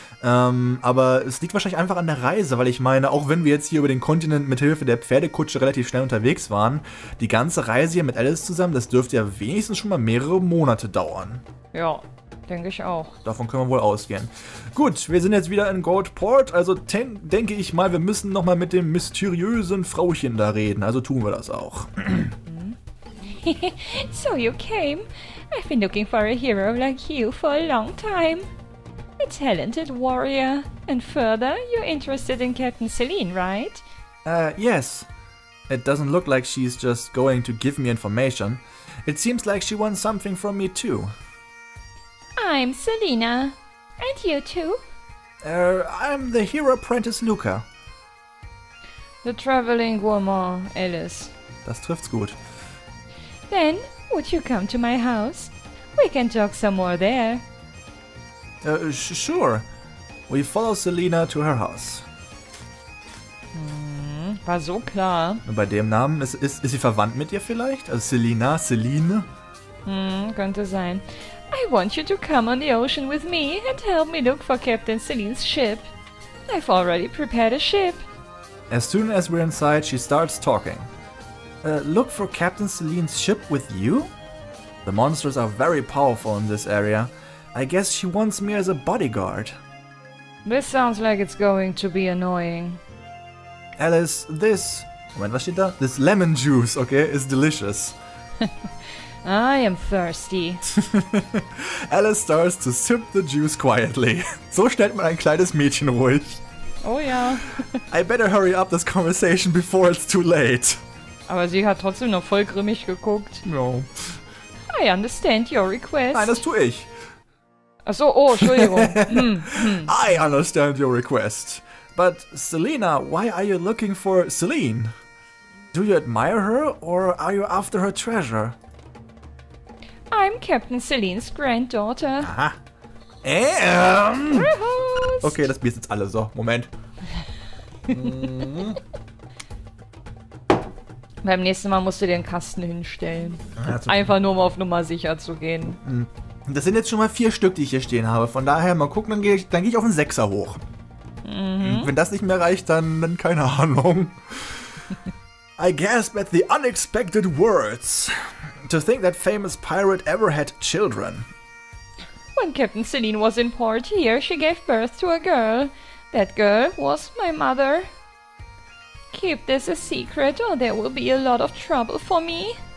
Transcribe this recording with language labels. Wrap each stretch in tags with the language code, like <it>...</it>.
<de>Aber es liegt wahrscheinlich einfach an der Reise, weil ich meine, auch wenn wir jetzt hier über den Kontinent mit Hilfe der Pferdekutsche relativ schnell unterwegs waren, die ganze Reise hier mit Alice zusammen, das dürfte ja wenigstens schon mal mehrere Monate dauern. Ja. Denke ich auch. Davon können wir wohl ausgehen. Gut, wir sind jetzt wieder in Goldport. Also denke ich mal, wir müssen nochmal mit dem mysteriösen Frauchen da reden. Also tun wir das auch.</de> <en>So you came. I've been looking for a hero like you for a long time. A talented warrior. And further, you're interested in Captain Selene, right? Yes. It doesn't look like she's just going to give me information. It seems like she wants something from me too. I'm Selena. And you too? I'm the hero apprentice Luca. The traveling gourmand, Alice.</en> <de>Das trifft's gut.</de> <en>Then, would you come to my house? We can talk some more there. Sure. We follow Selena to her house.</en> <de>War so klar. Bei dem Namen, ist sie verwandt mit ihr vielleicht? Also Selena, Selene? Könnte sein.</de> <en>I want you to come on the ocean with me and help me look for Captain Selene's ship. I've already prepared a ship. As soon as we're inside, she starts talking. Look for Captain Selene's ship with you? The monsters are very powerful in this area. I guess she wants me as a bodyguard. This sounds like it's going to be annoying. Alice, this...</en> <de>Moment, was steht da?</de> <en>This lemon juice, okay, is delicious. I am thirsty. Alice starts to sip the juice quietly.</en> <de>So stellt man ein kleines Mädchen ruhig. Oh ja.</de> <en>I better hurry up this conversation before it's too late.</en> <de>Aber sie hat trotzdem noch voll grimmig geguckt.</de> <en>No. I understand your request.</en> <de>Nein, das tue ich. Ach so, oh, Entschuldigung.</de> <en>I understand your request. But, Selena, why are you looking for Selene? Do you admire her, or are you after her treasure? I'm Captain Selene's granddaughter.</en> <de>Aha. Am! Okay, das bist jetzt alle so. Moment. Beim nächsten Mal musst du dir einen Kasten hinstellen. Einfach nur, um auf Nummer sicher zu gehen. Das sind jetzt schon mal 4 Stück, die ich hier stehen habe. Von daher, mal gucken, dann geh ich auf einen 6er hoch. Mhm. Wenn das nicht mehr reicht, dann keine Ahnung.</de> <en>I gasp at the unexpected words. To think that famous pirate ever had children. When Captain Selene was in port here, she gave birth to a girl. That girl was my mother. Keep this a secret or there will be a lot of trouble for me.</en>